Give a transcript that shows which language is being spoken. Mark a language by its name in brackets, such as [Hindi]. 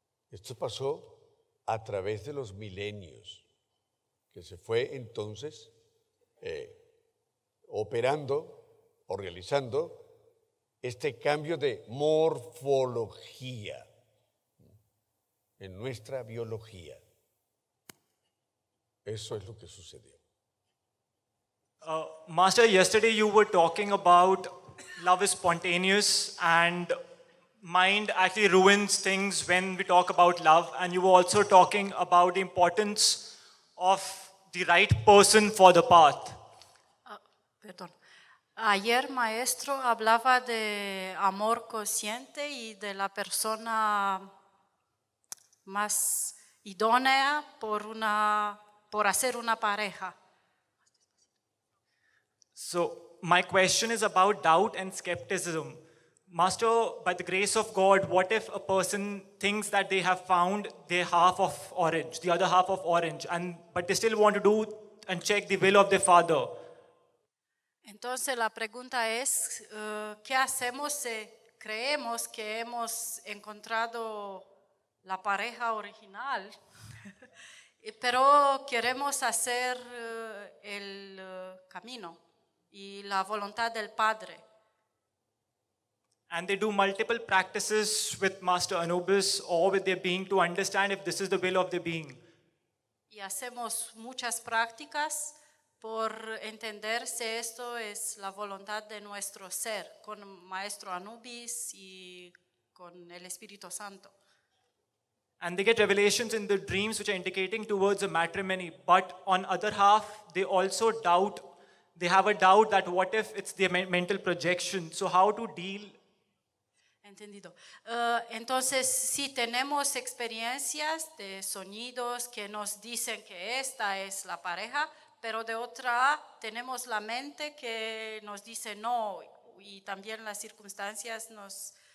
[Spanish] Esto pasó a través de los milenios, que se fue entonces operando o realizando este cambio de morfología en nuestra biología. Eso es lo que sucedió. [English] Master, yesterday you were talking about love is spontaneous and mind actually ruins things when we talk about love. And you were also talking about the importance of the right person for the path. [Spanish] Perdón. Ayer, maestro, hablaba de amor consciente y de la persona más idónea por hacer una pareja. [English] So my question is about doubt and skepticism. Master, by the grace of God, what if a person thinks that they have found their half of orange, the other half of orange, but they still want to do and check the will of their father? [Spanish] Entonces la pregunta es, ¿qué hacemos si creemos que hemos encontrado la pareja original? Pero queremos hacer el camino y la voluntad del Padre. [English] And they do multiple practices with Master Anubis or with their being to understand if this is the will of their being. [Spanish] Y hacemos muchas prácticas por entender si esto es la voluntad de nuestro ser con Maestro Anubis y con el Espíritu Santo. [English] And they get revelations in their dreams which are indicating towards a matrimony. But on other half, they also doubt, they have a doubt that what if it's their mental projection. So how to deal? [Spanish] Entendido. Entonces, si tenemos experiencias de sonidos que nos dicen que esta es la pareja, pero de otra, tenemos la mente que nos dice no, y también las circunstancias nos...